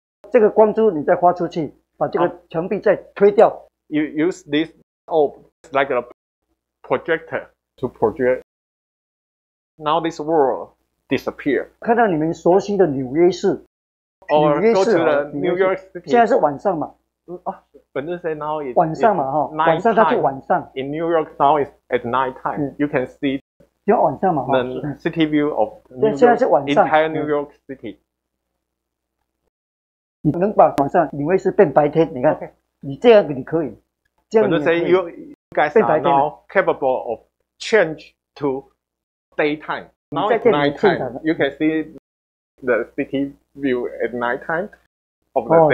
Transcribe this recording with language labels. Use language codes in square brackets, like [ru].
[zh] 这个光珠你再发出去，把这个墙壁再推掉。 [en] You use this orb like a projector to project. Now this world. Disappear. [zh] 看到你们熟悉的纽约市，纽约市啊 ， [en] New York City。 [zh] 现在是晚上嘛？ [en] 本身 say now is [zh] 晚上嘛哈，晚上它就晚上。 [en] In New York now is at night time. You can see. [zh] 就晚上嘛哈。 [en] The city view of New York. [zh] 现在是晚上。 [en] Entire New York City. [zh] 你能把晚上纽约市变白天？你看， [en] okay. [zh] 你这样你可以。这样你 [en] say you guys are now capable of change to daytime. Now it's nighttime. You can see the city view at nighttime of the daytime.